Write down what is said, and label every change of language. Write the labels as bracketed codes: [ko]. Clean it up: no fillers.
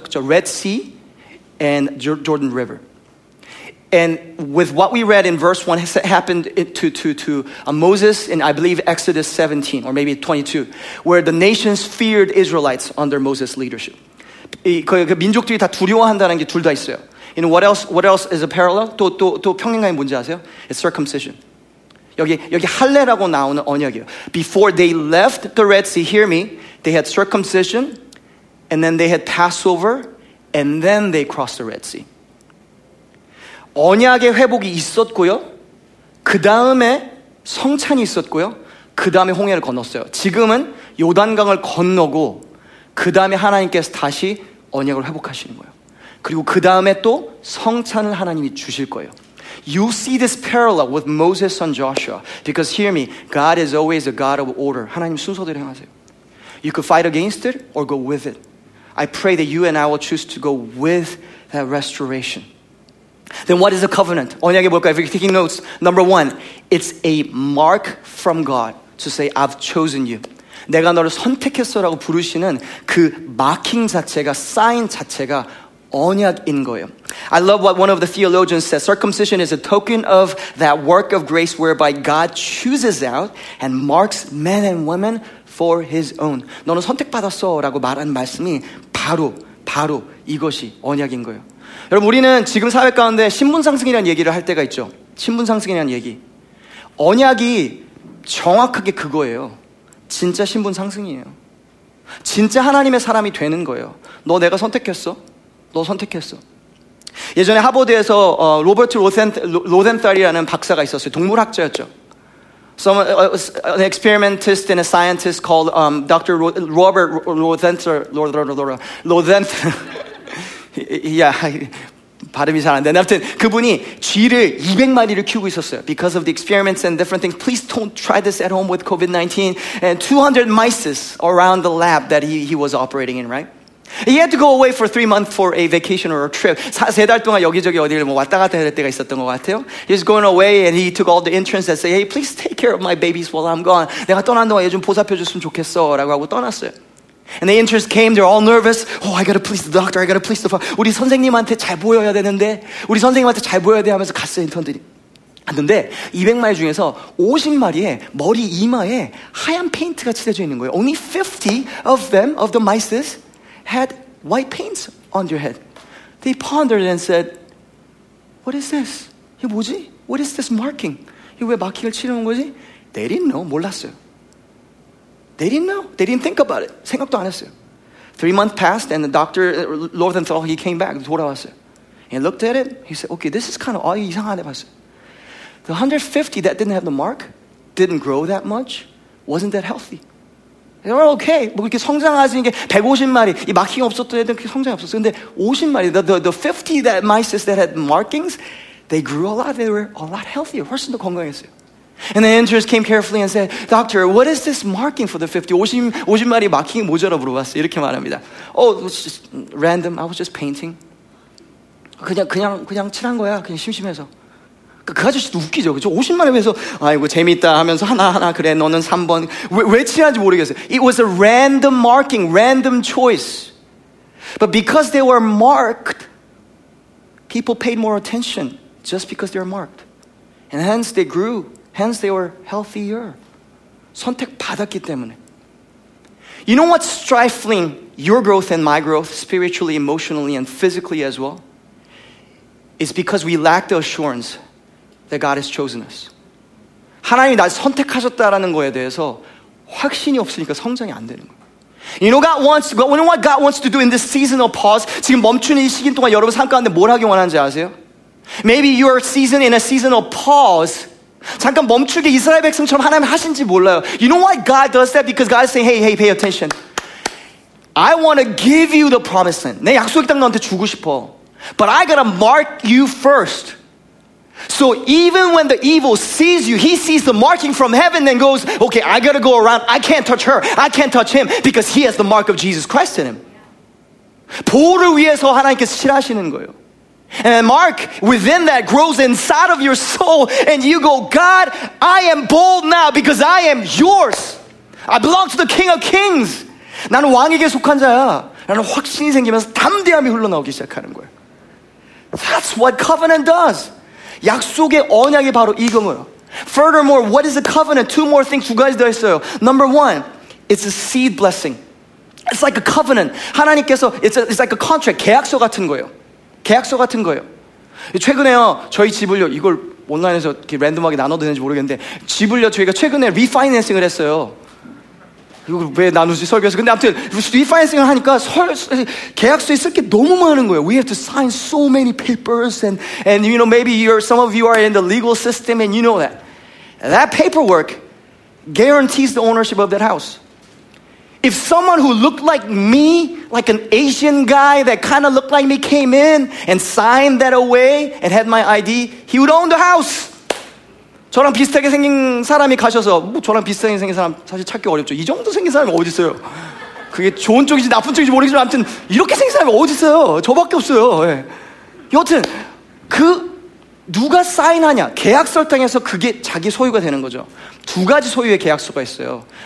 [ko] 그죠? [en] Red Sea and Jordan River. And with what we read in verse 1 has happened to Moses in I believe Exodus 17 or maybe 22 where the nations feared Israelites under Moses leadership. [ko] 그 민족들이 다 두려워한다는 게 둘 다 있어요. [en] And what else is a parallel? [ko] 또 평행가인 뭔지 아세요? [en] It's circumcision. [ko] 여기 할례라고 나오는 언약이에요. [en] Before they left the Red Sea, hear me, they had circumcision, and then they had Passover, and then they crossed the Red Sea. [ko] 언약의 회복이 있었고요. 그 다음에 성찬이 있었고요. 그 다음에 홍해를 건넜어요. 지금은 요단강을 건너고 그 다음에 하나님께서 다시 언약을 회복하시는 거예요. 그리고 그 다음에 또 성찬을 하나님이 주실 거예요. [en] You see this parallel with Moses and Joshua. Because hear me, God is always a God of order. [ko] 하나님 순서대로 행하세요. [en] You could fight against it or go with it. I pray that you and I will choose to go with that restoration. Then what is a covenant? [ko] 언약의 뭘까요? [en] If you're taking notes, number one, it's a mark from God to say, I've chosen you. [ko] 내가 너를 선택했어라고 부르시는 그 marking 자체가, sign 자체가 언약인 거예요. [en] I love what one of the theologians says. Circumcision is a token of that work of grace whereby God chooses out and marks men and women for his own. [ko] 너는 선택받았어 라고 말한 말씀이 바로 이것이 언약인 거예요. 여러분 우리는 지금 사회 가운데 신분상승이라는 얘기를 할 때가 있죠. 신분상승이라는 얘기. 언약이 정확하게 그거예요. 진짜 신분상승이에요. 진짜 하나님의 사람이 되는 거예요. 너 내가 선택했어? 너 선택했어. 예전에 하버드에서 로버트 로덴탈이라는 박사가 있었어요. 동물학자였죠. [en] Some, an experimentist and a scientist called Dr. [ko] Robert Rosenthal. Yeah, 발음이 잘 안 되네. 아무튼 그분이 쥐를 200마리를 키우고 있었어요. [en] Because of the experiments and different things, please don't try this at home with COVID-19. And 200 mice around the lab that he was operating in, right? He had to go away for 3 months for a vacation or a trip. [ko] 세 달 동안 여기저기 어디를 뭐 왔다 갔다 해야 될 때가 있었던 것 같아요. [en] He was going away and he took all the interns and said, hey, please take care of my babies while I'm gone. [ko] 내가 떠난 동안 얘 좀 보살펴 줬으면 좋겠어 라고 하고 떠났어요. [en] And the interns came, they're all nervous. Oh, I gotta please the doctor, I gotta please the father. [ko] 우리 선생님한테 잘 보여야 되는데, 우리 선생님한테 잘 보여야 돼 하면서 갔어요, 인턴들이. 근데 200마리 중에서 50마리에 머리 이마에 하얀 페인트가 칠해져 있는 거예요. [en] Only 50 of them, of the mice, had white paints on their head. They pondered and said, what is this? [ko] 이게 뭐지? [en] What is this marking? [ko] 이게 왜 마킹을 칠해놓은 거지? [en] They didn't know, [ko] 몰랐어요. [en] They didn't know. They didn't think about it. [ko] 생각도 안 했어요. [en] 3 months passed and the doctor, Lorenthal, he came back. [ko] 돌아왔어요. [en] He looked at it. He said, okay, this is kind of [ko] 이상하네 봤어요. [en] The 150 that didn't have the mark, didn't grow that much, wasn't that healthy. They were okay. [ko] 뭐 이렇게 성장하지 이게 150마리. 이 마킹이 없었던 애들 그렇게 성장이 없었어. 근데 50마리, [en] the 50 that mice that had markings, they grew a lot. They were a lot healthier. [ko] 훨씬 더 건강했어요. [en] And the interns came carefully and said, Doctor, what is this marking for the 50? [ko] 50마리 마킹이 모자라 물어봤어. 이렇게 말합니다. [en] Oh, it was just random. I was just painting. [ko] 그냥 칠한 거야. 그냥 심심해서. 그 아저씨도 웃기죠. 그렇죠? 50마리 해서 아이고 재밌다 하면서 하나하나 그래 너는 3번. 왜 칠한지 모르겠어요. [en] It was a random marking, random choice. But because they were marked, people paid more attention just because they were marked. And hence they grew. Hence, they were healthier. [ko] 선택받았기 때문에. [en] You know what's stifling your growth and my growth, spiritually, emotionally, and physically as well? It's because we lack the assurance that God has chosen us. [ko] 하나님이 날 선택하셨다라는 거에 대해서 확신이 없으니까 성장이 안 되는 거예요. [en] You know, God wants, you know what God wants to do in this season of pause? [ko] 지금 멈춘 이 시기 동안 여러분 삶 가운데 뭘 하기 원하는지 아세요? [en] Maybe your season in a season of pause [ko] 잠깐 멈추게 이스라엘 백성처럼 하나님 하신지 몰라요. [en] You know why God does that? Because God is saying, hey, pay attention. I want to give you the promised land. [ko] 내 약속의 땅 너한테 주고 싶어. [en] But I got to mark you first. So even when the evil sees you, he sees the marking from heaven and goes, okay, I got to go around. I can't touch her. I can't touch him because he has the mark of Jesus Christ in him. [ko] 보호를 위해서 하나님께서 칠하시는 거예요. [en] And mark within that grows inside of your soul and you go, God, I am bold now because I am yours. I belong to the King of Kings. [ko] 나는 왕에게 속한 자야. 라는 확신이 생기면서 담대함이 흘러나오기 시작하는 거예요. [en] That's what covenant does. [ko] 약속의 언약이 바로 이건 거예요. [en] Furthermore, what is a covenant? Two more things, [ko] 두 가지 더 있어요. [en] Number one, it's a seed blessing. It's like a covenant. [ko] 하나님께서, [en] it's like a contract, [ko] 계약서 같은 거예요. 계약서 같은 거예요. 최근에요, 저희 집을요, 이걸 온라인에서 이렇게 랜덤하게 나눠도 되는지 모르겠는데, 집을요, 저희가 최근에 리파이낸싱을 했어요. 이걸 왜 나누지, 설교해서. 근데 아무튼, 리파이낸싱을 하니까 계약서에 쓸 게 너무 많은 거예요. [en] We have to sign so many papers, and you know, maybe some of you are in the legal system, and you know that. That paperwork guarantees the ownership of that house. If someone who looked like me, like an Asian guy that kind of looked like me, came in and signed that away and had my ID, he would own the house. [ko] 저랑 비슷하게 생긴 사람이 가셔서, 뭐 저랑 비슷하게 생긴 사람 사실 찾기 어렵죠. 이 정도 생긴 사람이 어디 있어요? 그게 좋은 쪽인지 나쁜 쪽인지 모르겠지만 아무튼 이렇게 생긴 사람이 어디 있어요? 저밖에 없어요. 예. 여튼 그 누가 사인하냐? 계약서를 통해서 그게 자기 소유가 되는 거죠. 두 가지 소유의 계약서가 있어요.